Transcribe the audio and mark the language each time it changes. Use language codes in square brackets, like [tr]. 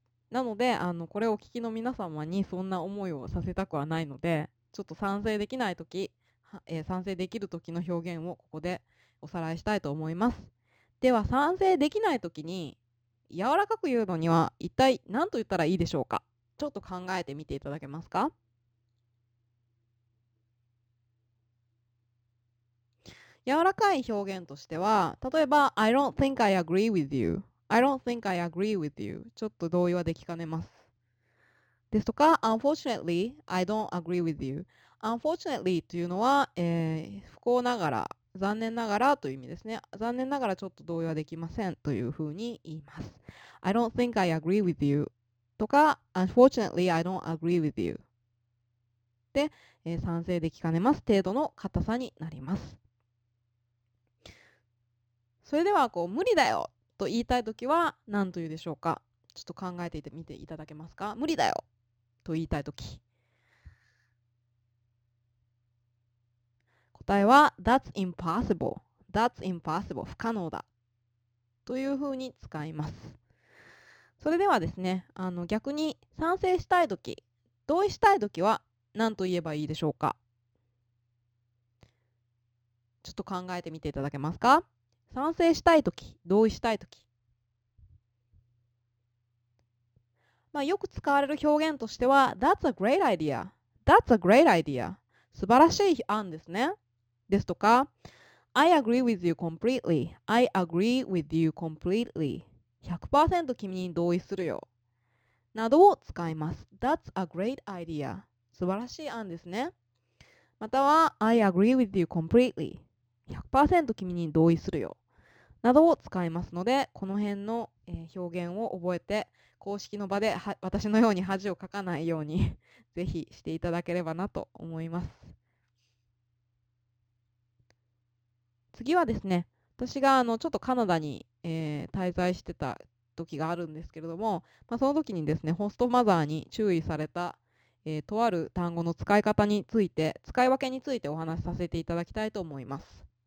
[ja] なので、これをお聞きの皆様にそんな思いをさせたくはないので、ちょっと賛成できないとき、賛成できるときの表現をここでおさらいしたいと思います。では、賛成できないときに柔らかく言うのには一体何と言ったらいいでしょうか。ちょっと考えてみていただけますか。柔らかい表現としては、例えば [en] I don't think I agree with you、 I don't think I agree with you、 [ja] ちょっと同意はできかねますですとか、 [en] Unfortunately, I don't agree with you. [ja] Unfortunately というのは、不幸ながら、残念ながらという意味ですね。残念ながらちょっと同意はできませんというふうに言います。 [en] I don't think I agree with you. とか、Unfortunately, I don't agree with you. [ja] で、賛成できかねます程度の硬さになります。それでは、こう、無理だよと言いたいときは何と言うでしょうか。ちょっと考えていてみていただけますか。無理だよと言いたいとき、答えは [en] That's impossible. That's impossible. [ja] 不可能だというふうに使います。それではですね、逆に賛成したいとき、同意したいときは何と言えばいいでしょうか。ちょっと考えてみていただけますか。賛成したいとき、同意したいとき、まあ、よく使われる表現としては [en] That's a great idea. That's a great idea. [ja] 素晴らしい案ですね。 [en] ですとか I agree with you completely. I agree with you completely. [ja] 100% 君に同意するよ。などを使います。 [en] That's a great idea. [ja] 素晴らしい案ですね。または [en] I agree with you completely. [ja] 100% 君に同意するよ。などを使いますので、この辺の表現を覚えて、公式の場で私のように恥をかかないようにぜひしていただければなと思います。次はですね、私がちょっとカナダに、滞在してた時があるんですけれども、まあ、その時にですね、ホストマザーに注意された、とある単語の使い方について、使い分けについてお話しさせていただきたいと思います。